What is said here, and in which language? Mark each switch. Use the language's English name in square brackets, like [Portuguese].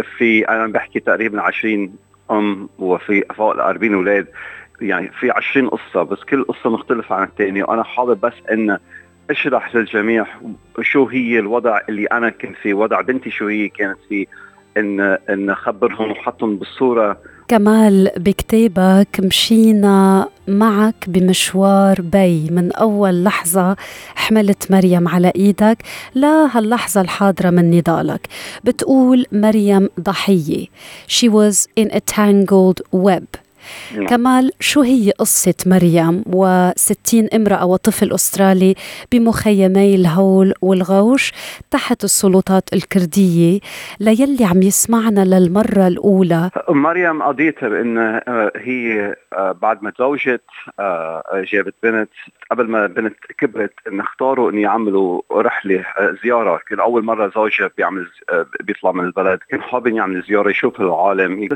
[Arabic] في أنا بحكي تقريبا 20 أم وفي فوق 40 أولاد، يعني في 20 قصة بس كل قصة مختلفة عن التانية، وأنا حابب بس أن اشرح للجميع شو هي الوضع اللي انا كنت فيه، وضع بنتي شو هي كانت فيه، ان اخبرهم وحطهم بالصورة. كمال، بكتابك مشينا معك بمشوار بي من اول لحظة حملت مريم على ايدك لا هاللحظة الحاضرة من نضالك. بتقول مريم ضحية، [English] she was in a tangled web. [Arabic] كمال، شو هي قصة مريم وستين امرأة وطفل أسترالي بمخيمي الهول والغوش تحت السلطات الكردية ليلي عم يسمعنا للمرة الأولى؟ مريم أديتر إن هي بعد ما تزوجت جابت بنت، قبل ما بنت كبرت إن اختاروا إن يعملوا رحلة زيارة، كان أول مرة زوجها بيطلع من البلد، كان حابين يعمل زيارة يشوف العالم.